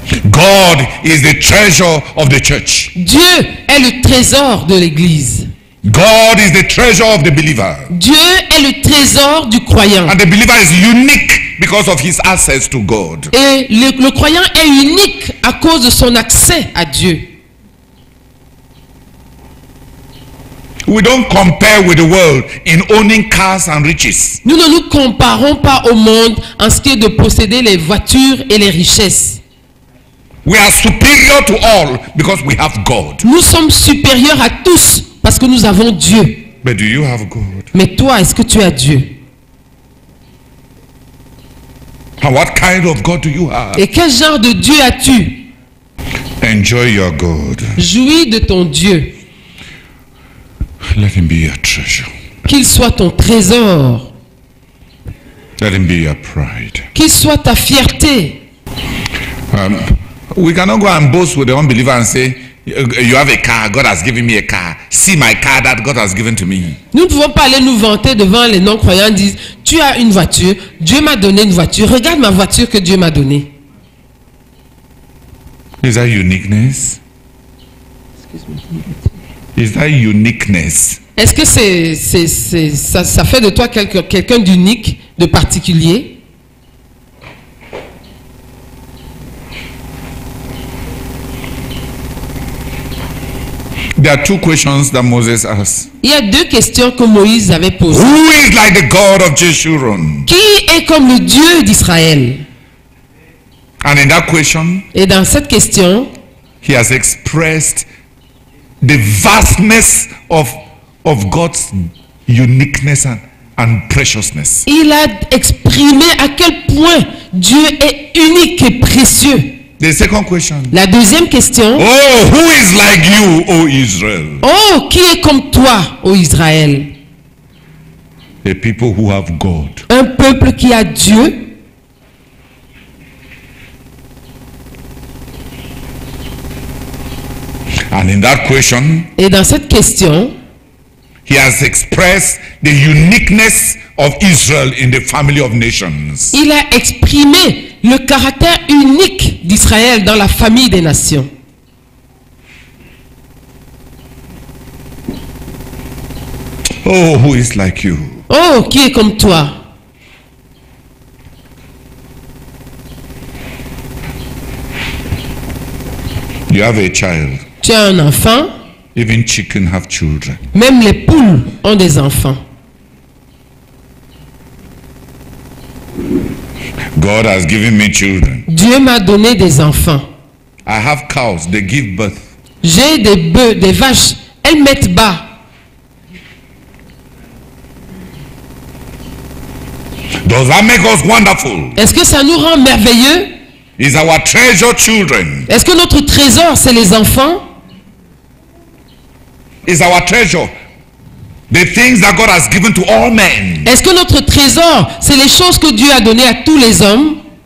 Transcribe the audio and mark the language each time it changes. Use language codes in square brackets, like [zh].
[en] God is the treasure of the church. [fr] Dieu est le trésor de l'église. [en] God is the treasure of the believer. [fr] Dieu est le trésor du croyant. [en] And the believer is unique because of his access to God. [fr] Et le croyant est unique à cause de son accès à Dieu. [en] We don't compare with the world in owning cars and riches. [fr] Nous ne nous comparons pas au monde en ce qui est de posséder les voitures et les richesses. [en] We are superior to all because we have God. [fr] Nous sommes supérieurs à tous parce que nous avons Dieu. [en] But do you have God? [fr] Mais toi, est-ce que tu as Dieu? [en] And what kind of God do you have? [fr] Et quel genre de Dieu as-tu? [en] Enjoy your God. [fr] Jouis de ton Dieu. [en] Let him be your treasure. [fr] Qu'il soit ton trésor. [en] Let him be your pride. [fr] Qu'il soit ta fierté. [en] We cannot go and boast with the unbeliever and say, "You have a car. God has given me a car. See my car that God has given to me." [fr] Nous ne pouvons pas aller nous vanter devant les non-croyants. Disent, "Tu as une voiture. Dieu m'a donné une voiture. Regarde ma voiture que Dieu m'a donnée." [en] Is that uniqueness? Is that uniqueness? [fr] Est-ce que ça fait de toi quelqu'un d'unique, de particulier? [en] There are two questions that Moses asked. [fr] Il y a deux questions que Moïse avait posées. [en] Who is like the God of Jeshurun? [fr] Qui est comme le Dieu d'Israël? [en] And in that question, [fr] et dans cette question, [en] he has expressed the vastness of God's uniqueness and preciousness. [fr] Il a exprimé à quel point Dieu est unique et précieux. [en] The second question. [fr] La deuxième question. [en] Oh, who is like you, O Israel? [fr] Oh, qui est comme toi, O Israël? [en] A people who have God. [fr] Un peuple qui a Dieu. [en] And in that question. [fr] Et dans cette question. [en] He has expressed the uniqueness of Israel in the family of nations. [fr] Il a exprimé le caractère unique d'Israël dans la famille des nations. [en] Oh, who is like you? [fr] Oh, qui est comme toi? [en] You have a child. [fr] Tu as un enfant. [en] Even chickens have children. [fr] Même les poules ont des enfants. [en] God has given me children. [fr] Dieu m'a donné des enfants. [en] I have cows, they give birth. [fr] J'ai des bœufs, des vaches, elles mettent bas. [en] Does that make us wonderful? [fr] Est-ce que ça nous rend merveilleux? [en] Is our treasure children? [fr] Est-ce que notre trésor c'est les enfants? [en] Is our treasure the things that God has given to all men? [fr] Est-ce que notre trésor, c'est les choses que Dieu a donné à tous les hommes?